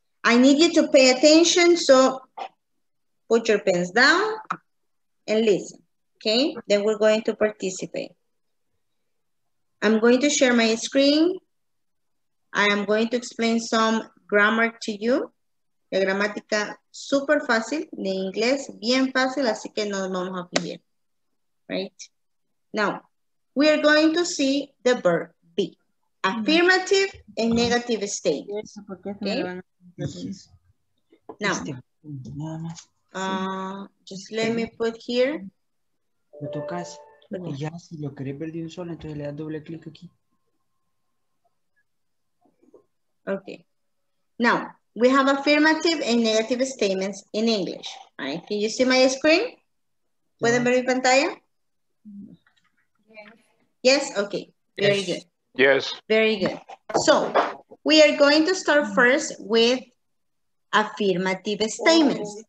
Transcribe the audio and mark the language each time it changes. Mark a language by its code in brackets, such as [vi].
[en] I need you to pay attention, so put your pens down and listen, okay? Then we're going to participate. I'm going to share my screen. I am going to explain some grammar to you. [es] La gramática super fácil, de inglés, bien fácil, así que no nos vamos a pedir, right? [en] Now, we are going to see the verb be. Affirmative and negative state. Okay? Now, just let me put here. [es] No tocas. Porque ya si lo querés ver de un solo, entonces le das doble clic aquí. [en] Okay. Now, we have affirmative and negative statements in English. Right? Can you see my screen? [es] ¿Pueden ver mi pantalla? [en] Yes? Okay. Very good. Yes. Very good. So, we are going to start first with affirmative statements.